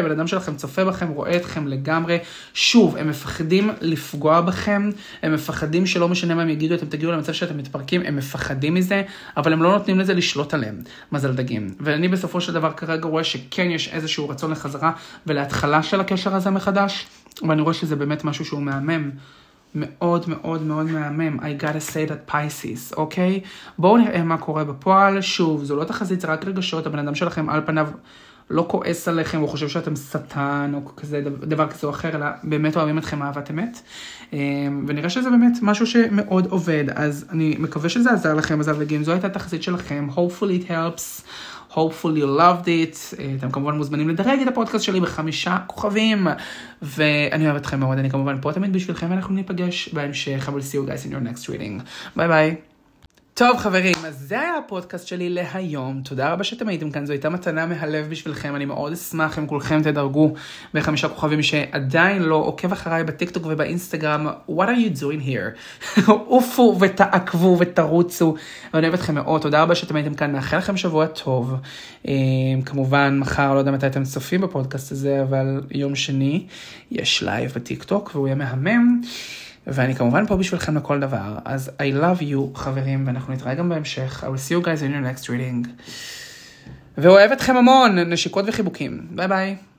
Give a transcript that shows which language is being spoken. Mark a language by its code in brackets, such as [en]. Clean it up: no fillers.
[he] הבן אדם שלכם צופה בכם, רואה אתכם לגמרי, שוב, הם מפחדים לפגוע בכם, הם מפחדים שלא משנה מה הם יגידו, אתם תגיעו למצב שאתם מתפרקים, הם מפחדים זה, אבל הם לא נותנים לזה לשלוט עליהם, מזל דגים. ואני בסופו של דבר כרגע רואה שכן יש איזשהו רצון לחזרה ולהתחלה של הקשר הזה מחדש, ואני רואה שזה באמת משהו שהוא מהמם. מאוד מאוד מאוד מהמם. [en] I gotta say that Pisces, אוקיי? [he] בואו נראה מה קורה בפועל. שוב, זו לא תחזית, זה רק רגשות. הבן אדם שלכם על פניו לא כועס עליכם, הוא חושב שאתם סטן או כזה, דבר כזה או אחר, אלא באמת אוהבים אתכם אהבת אמת. ונראה שזה באמת משהו שמאוד עובד. אז אני מקווה שזה עזר לכם, אז אם זו הייתה התחזית שלכם, [en] hopefully it helps, hopefully you loved it. [he] אתם כמובן מוזמנים לדרג את הפודקאסט שלי ב5 כוכבים. ואני אוהב אתכם מאוד, אני כמובן פה תמיד בשבילכם, ואנחנו ניפגש בהמשך. [en] I will see you guys in your next reading. Bye bye. [he] טוב חברים, אז זה היה הפודקאסט שלי להיום. תודה רבה שאתם הייתם כאן, זו הייתה מתנה מהלב בשבילכם. אני מאוד אשמח אם כולכם תדרגו בחמישה כוכבים שעדיין לא עוקב אחריי בטיקטוק ובאינסטגרם. [en] What are you doing here? [he] אופו ותעקבו ותרוצו. ואני אוהב אתכם מאוד. תודה רבה שאתם הייתם כאן. מאחל לכם שבוע טוב. כמובן, מחר, לא יודע מתי אתם צופים בפודקאסט הזה, אבל יום שני יש לייב בטיקטוק והוא יהיה מהמם. ואני כמובן פה בשבילכם לכל דבר. אז [en] I love you, [he] חברים, ואנחנו נתראה גם בהמשך. [en] I will see you guys in your next reading. [he] ואוהב אתכם המון, נשיקות וחיבוקים. ביי ביי.